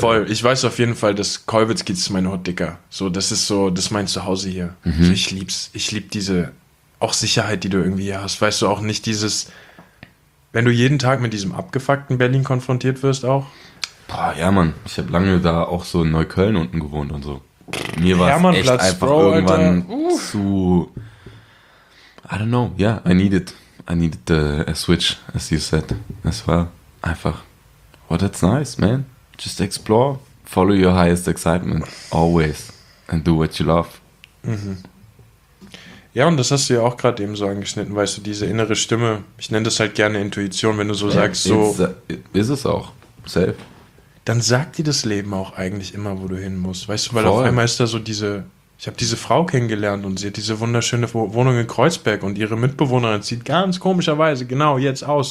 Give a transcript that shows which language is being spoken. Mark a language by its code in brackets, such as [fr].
[de] Voll, ich weiß auf jeden Fall, dass Kolwitzki ist mein Hot, Dicker. So, das ist so, das ist mein Zuhause hier. Mhm. Also ich lieb diese auch Sicherheit, die du irgendwie hier hast. Weißt du, auch nicht dieses, wenn du jeden Tag mit diesem abgefuckten Berlin konfrontiert wirst auch. Boah, ja, Mann, ich habe lange da auch so in Neukölln unten gewohnt und so. Mir war es echt einfach, Bro, irgendwann zu, [en] I don't know, yeah, I needed a switch, as you said. [de] Es war einfach, [en] oh, that's nice, man. Just explore, follow your highest excitement, always, and do what you love. Mhm. [de] Ja, und das hast du ja auch gerade eben so angeschnitten, weißt du, diese innere Stimme, ich nenne das halt gerne Intuition, wenn du so sagst, so... Ist es auch, safe. Dann sagt dir das Leben auch eigentlich immer, wo du hin musst, weißt du, weil Voll. Auf einmal ist da so diese, Ich habe diese Frau kennengelernt und sie hat diese wunderschöne Wohnung in Kreuzberg und ihre Mitbewohnerin sieht ganz komischerweise genau jetzt aus.